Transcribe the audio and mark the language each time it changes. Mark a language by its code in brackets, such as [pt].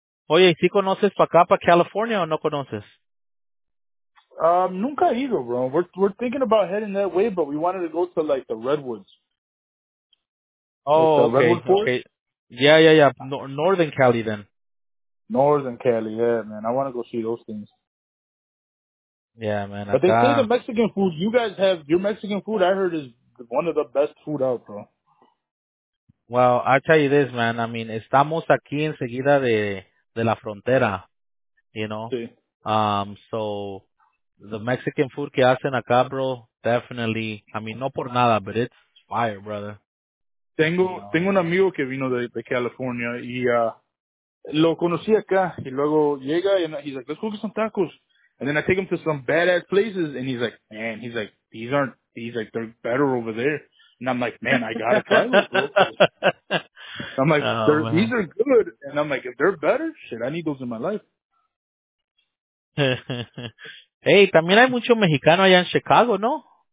[es] Oye, ¿sí conoces pa' acá, pa' California, o no conoces? Nunca he ido, bro. [en] We're thinking about heading that way, but we wanted to go to, like, the Redwoods. Oh, like, okay. Yeah. Northern Cali, then. Northern Cali, yeah, man. I want to go see those things. Yeah, man. But they say the Mexican food, you guys have, your Mexican food, I heard, is one of the best food out, bro. Well, I tell you this, man. I mean, estamos aquí enseguida de la frontera, you know? [es] Sí. [en] So the Mexican food que hacen acá, bro, definitely, I mean, no por nada, but it's fire, brother. [es] Tengo un amigo que vino de California y lo conocí acá, y luego llega y he's like, let's go get some tacos. [en] And then I take him to some badass places, and he's like, man, he's like, these aren't, he's like, they're better over there. And I'm like, man, I gotta try those. I'm like, oh, these are good. And I'm like, if they're better, shit, I need those in my life. [es] Hey, también hay mucho mexicano allá en Chicago, ¿no?